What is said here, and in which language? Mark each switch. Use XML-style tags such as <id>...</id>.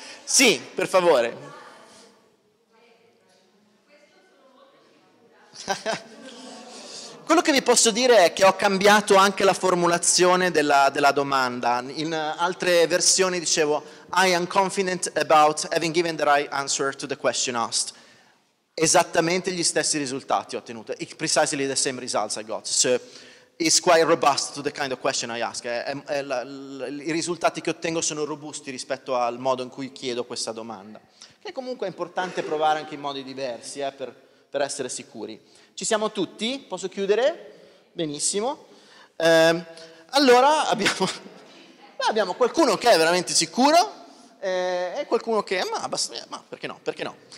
<it>(Ride) Sì, per favore. Quello che vi posso dire è che ho cambiato anche la formulazione della domanda. In altre versioni dicevo</it> <en>I am confident about having given the right answer to the question asked.</en> <it>Esattamente gli stessi risultati ho ottenuto.</it> <en>Precisely the same results I got. So it's quite robust to the kind of question I ask.</en> <it>I risultati che ottengo sono robusti rispetto al modo in cui chiedo questa domanda. Che comunque è importante provare anche in modi diversi, per essere sicuri. Ci siamo tutti? Posso chiudere? Benissimo. Allora abbiamo qualcuno che è veramente sicuro e qualcuno che perché no?</it>